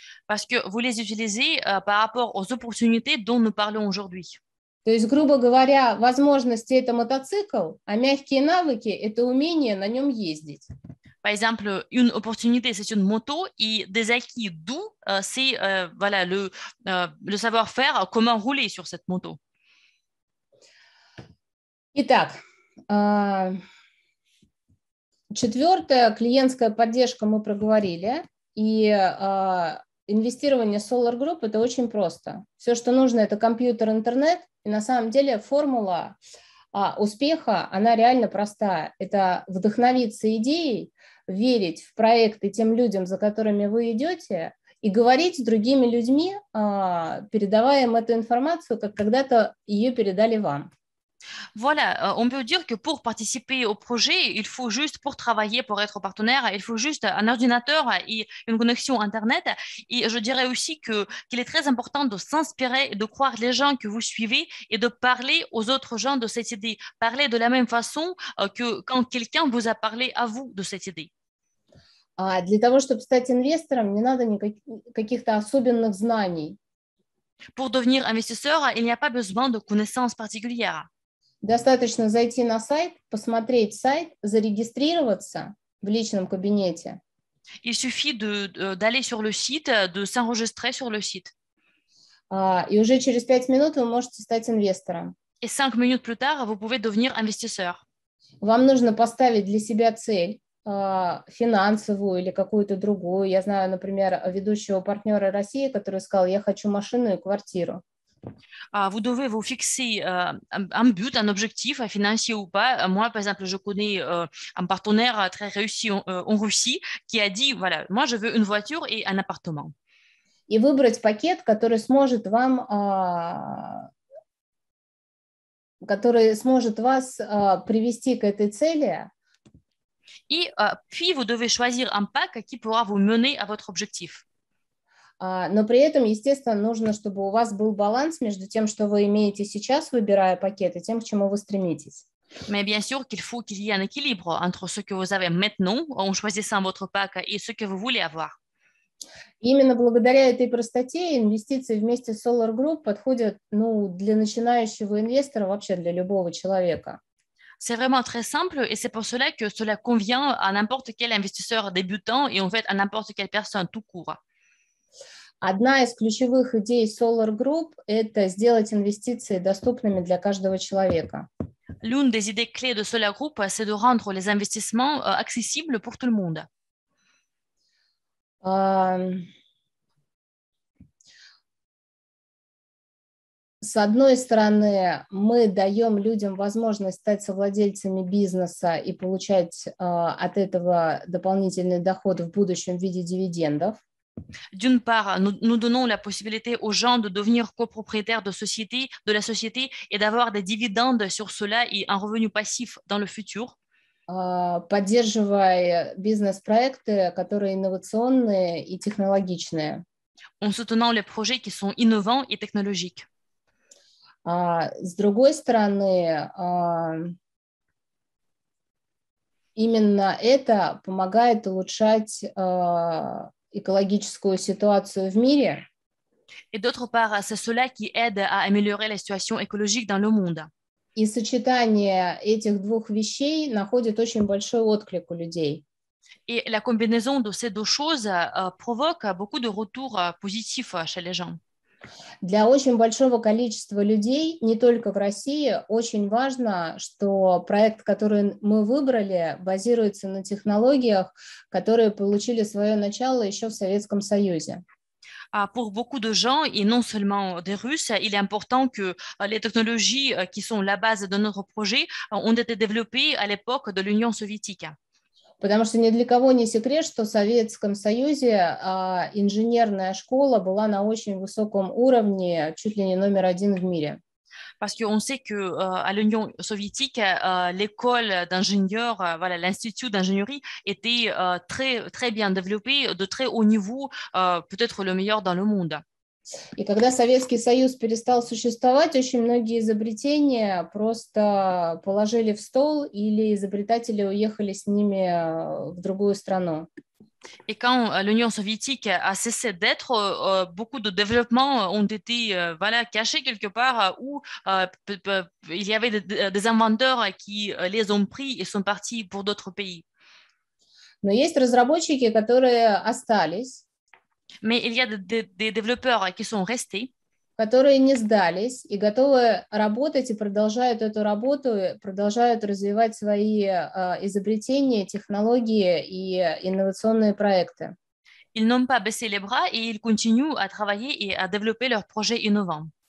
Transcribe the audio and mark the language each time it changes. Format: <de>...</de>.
<fr>Parce que vous les utilisez par rapport aux opportunités dont nous parlons aujourd'hui.</fr> <ru>То есть, грубо говоря, возможности – это мотоцикл, а мягкие навыки – это умение на нем ездить.</ru> <fr>Par exemple, une opportunité, c'est une moto, et des acquis doux, c'est voilà, le savoir-faire, comment rouler sur cette moto.</fr> <ru>Итак, четвертая клиентская поддержка мы проговорили, и инвестирование Solar Group – это очень просто. Все, что нужно, это компьютер, интернет, и на самом деле формула успеха, она реально простая. Это вдохновиться идеей, верить в проект и тем людям, за которыми вы идете, и говорить с другими людьми, передавая им эту информацию, как когда-то ее передали вам.</ru> <fr>Voilà, on peut dire que pour participer au projet, il faut juste, pour travailler, pour être partenaire, il faut juste un ordinateur et une connexion Internet. Et je dirais aussi qu'il est très important de s'inspirer et de croire les gens que vous suivez et de parler aux autres gens de cette idée. Parler de la même façon que quand quelqu'un vous a parlé à vous de cette idée.</fr> <ru>Для того, чтобы стать инвестором, не надо каких-то особенных знаний.</ru> <fr>Pour devenir investisseur, il n'y a pas besoin de connaissances particulières.</fr> <ru>Достаточно зайти на сайт, посмотреть сайт, зарегистрироваться в личном кабинете.</ru> <fr>Il suffit d'aller sur le site, de s'enregistrer sur le site.</fr> <ru>И уже через 5 минут вы можете стать инвестором.</ru> <fr>Et 5 minutes plus tard, vous pouvez devenir investisseur.</fr> <ru>Вам нужно поставить для себя цель. Финансовую или какую-то другую. Я знаю, например, ведущего партнера России, который сказал, я хочу машину и квартиру.</ru> <fr>Vous devez vous fixer un but, un objectif financier ou pas. Moi, par exemple, je connais un partenaire très réussi en Russie qui a dit, voilà, moi, je veux une voiture et un appartement.</fr> <ru>И выбрать пакет, который сможет вам, который сможет вас привести к этой цели. И</ru> <fr>puis vous devez choisir un pack qui pourra vous mener à votre objectif.</fr> <ru>Но при этом, естественно, нужно, чтобы у вас был баланс между тем, что вы имеете сейчас, выбирая пакет, и тем, к чему вы стремитесь.</ru> <fr>Mais bien sûr qu'il faut qu'il y ait un équilibre entre ce que vous avez maintenant, en choisissant votre pack, et ce que vous voulez avoir.</fr> <ru>Именно благодаря этой простоте инвестиции вместе с Solar Group подходят, ну, для начинающего инвестора, вообще для любого человека.</ru> <fr>C'est vraiment très simple et c'est pour cela que cela convient à n'importe quel investisseur débutant et en fait à n'importe quelle personne tout court.</fr> <ru>Одна из ключевых идей Solar Group – это сделать инвестиции доступными для каждого человека.</ru> <fr>L'une des idées clés de Solar Group, c'est de rendre les investissements accessibles pour tout le monde.</fr> <ru>С одной стороны, мы даем людям возможность стать совладельцами бизнеса и получать от этого дополнительный доход в будущем в виде дивидендов.</ru> <fr>D'une part, nous donnons la possibilité aux gens de devenir copropriétaires de la société et d'avoir des dividendes sur cela et un revenu passif dans le futur.</fr> <ru>Поддерживая бизнес-проекты, которые инновационные и технологичные.</ru> <fr>En soutenant les projets qui sont innovants et technologiques.</fr> <ru>С другой стороны, именно это помогает улучшать экологическую ситуацию в мире.</ru> <fr>Et d'autre part, c'est cela qui aide à améliorer la situation écologique dans le monde.</fr> <ru>И сочетание этих двух вещей находит очень большой отклик у людей.</ru> <fr>Et la combinaison de ces deux choses provoque beaucoup de retours positifs chez les gens.</fr> <ru>Для очень большого количества людей, не только в России, очень важно, что проект, который мы выбрали, базируется на технологиях, которые получили свое начало еще в Советском Союзе.</ru> <fr>Pour beaucoup de gens, et non seulement des Russes, il est important que les technologies qui sont la base de notre projet ont été développées à l'époque de l'Union soviétique.</fr> <ru>Потому что ни для кого не секрет, что в Советском Союзе инженерная школа была на очень высоком уровне, чуть ли не номер один в мире.</ru> <fr>Parce qu'on sait que à l'Union soviétique, l'école d'ingénieurs, voilà, l'institut d'ingénierie était très très bien développé, de très haut niveau, peut-être le meilleur dans le monde.</fr> <ru>И когда Советский Союз перестал существовать, очень многие изобретения просто положили в стол или изобретатели уехали с ними в другую страну. И</ru> <fr>quand l'Union soviétique a cessé d'être, beaucoup de développements ont été voilà, cachés quelque part où il y avait des inventeurs qui les ont pris et sont partis pour d'autres pays.</fr> <ru>Но есть разработчики, которые остались.</ru> <fr>Mais il y a des développeurs qui sont restés,</fr> <ru>которые не сдались и готовы работать и продолжают эту работу, продолжают развивать свои изобретения, технологии и инновационные проекты.</ru> <fr>Ils n'ont pas baissé les bras et ils continuent à travailler et à développer leurs projets innovants.</fr>